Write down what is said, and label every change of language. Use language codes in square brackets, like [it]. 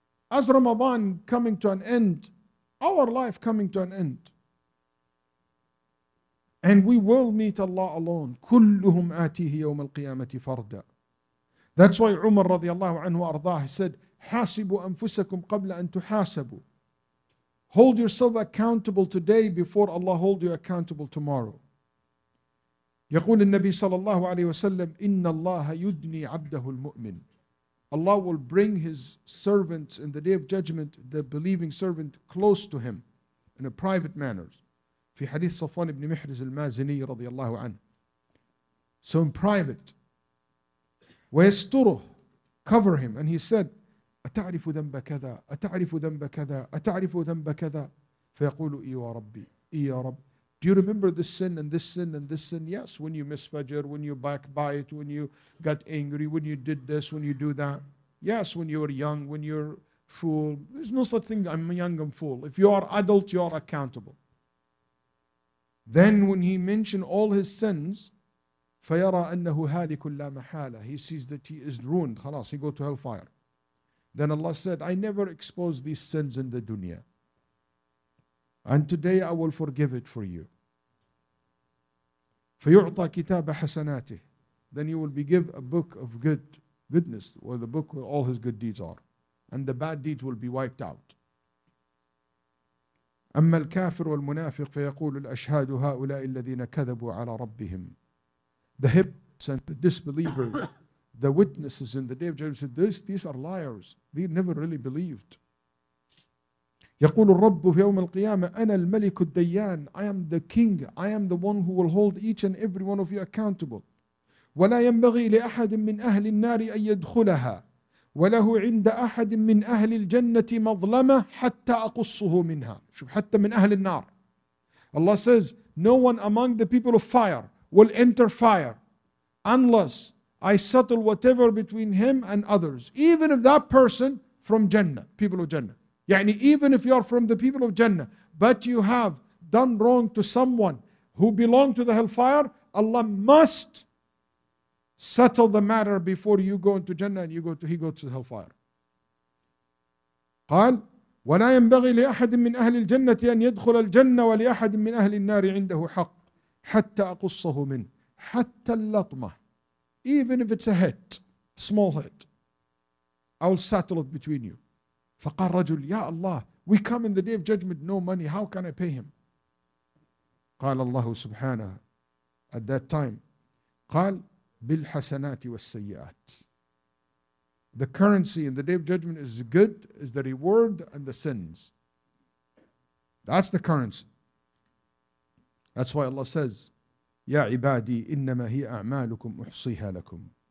[en] As Ramadan coming to an end, our life coming to an end, and we will meet Allah alone. [ar] كلهم آتيه يوم القيامة فردا. [en] That's why Umar radiallahu anhu arda'ah said, [ar] حاسبوا أنفسكم قبل أن تحاسبوا. [en] Hold yourself accountable today before Allah hold you accountable tomorrow. [ar] يقول النبي صلى الله عليه وسلم إن الله يدني عبده المؤمن. [en] Allah will bring his servants in the day of judgment, the believing servant, close to him in a private manner. [ar] في حديث صفوان بن محرز المازني رضي الله عنه. [en] So in private, [ar] ويستره, [en] cover him, and he said, [ar] أتعرف ذنب كذا؟ أتعرف ذنب كذا؟ أتعرف ذنب كذا؟ فيقول إي ربي إي رب. [en] Do you remember this sin and this sin and this sin? Yes, when you miss Fajr, when you backbite, when you got angry, when you did this, when you do that. Yes, when you were young, when you're fool. There's no such thing, I'm young and fool. If you are adult, you are accountable. Then when he mentioned all his sins, [ar] فَيَرَى أَنَّهُ هَالِكٌ لَا مَحَالَةٌ. [en] He sees that he is ruined. خلاص, he go to hellfire. Then Allah said, I never exposed these sins in the dunya. And today I will forgive it for you. [ar] فَيُعْطَى كِتَابَ حَسَنَاتِهِ. [en] Then you will be given a book of goodness, or the book where all his good deeds are. And the bad deeds will be wiped out. [ar] أَمَّا الْكَافِرُ وَالْمُنَافِقُ فَيَقُولُ الْأَشْهَادُ هَؤُلَاءِ الَّذِينَ كَذَبُوا عَلَى رَبِّهِمْ. [en] The hypocrites and the disbelievers, the witnesses in the day of judgment said, these are liars. They never really believed. [ar] يقول الرب في يوم القيامة أنا الملك الديان. [en] I am the king. I am the one who will hold each and every one of you accountable. [ar] ولا ينبغي لأحد من أهل النار أن يدخلها وله عند أحد من أهل الجنة مظلمة حتى أقصه منها. شوف, حتى من أهل النار. [en] Allah says, no one among the people of fire will enter fire unless I settle whatever between him and others. Even if that person from Jannah, people of Jannah. يعني even if you are from the people of Jannah, but you have done wrong to someone who belonged to the hellfire, Allah must settle the matter before you go into Jannah and he goes to the hellfire. [ar] قال وَلَا يَنْبَغِي لِأَحَدٍ مِّنْ أَهْلِ الْجَنَّةِ أَنْ يَدْخُلَ الْجَنَّةِ وَلِأَحَدٍ مِّنْ أَهْلِ النَّارِ عِنْدَهُ حَقٍّ حَتَّى أَقُصَّهُ مِنْ حَتَّى اللَّطْمَةِ. [en] Even if it's a hit, small hit, I will settle it between you. [ar] فَقَالْ رَجُلْ يَا اللَّهِ, [en] we come in the day of judgment, no money, how can I pay him? [ar] قَالَ اللَّهُ سُبْحَانَهُ. [en] At that time, [ar] قَالْ بِالْحَسَنَاتِ وَالسَّيِّئَاتِ. [en] The currency in the day of judgment is good, is the reward and the sins. That's the currency. That's why Allah says, [ar] يَا عِبَادِي إِنَّمَا هِيَ أَعْمَالُكُمْ أُحْصِيهَا لَكُمْ.